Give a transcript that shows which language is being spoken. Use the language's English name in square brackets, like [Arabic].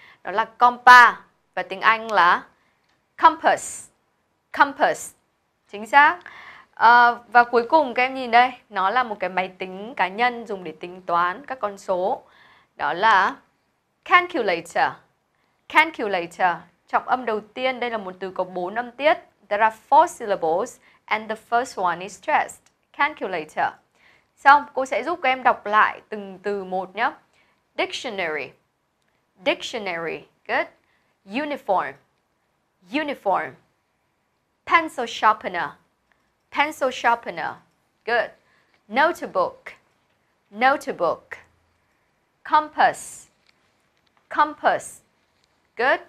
[Vietnamese] Đó là compass. Và tiếng Anh là compass. Compass. Chính xác. Và cuối cùng các em nhìn đây, nó là một cái máy tính cá nhân dùng để tính toán các con số. Đó là calculator. Calculator. Trọng âm đầu tiên, đây là một từ có 4 âm tiết. [English] There are 4 syllables and the first one is stressed. Calculator. [Vietnamese] Xong, cô sẽ giúp các em đọc lại từng từ một nhé. [English] Dictionary. Dictionary. Good. Uniform. Uniform. Pencil sharpener. Pencil sharpener. Good. Notebook. Notebook. Compass. Compass. Good.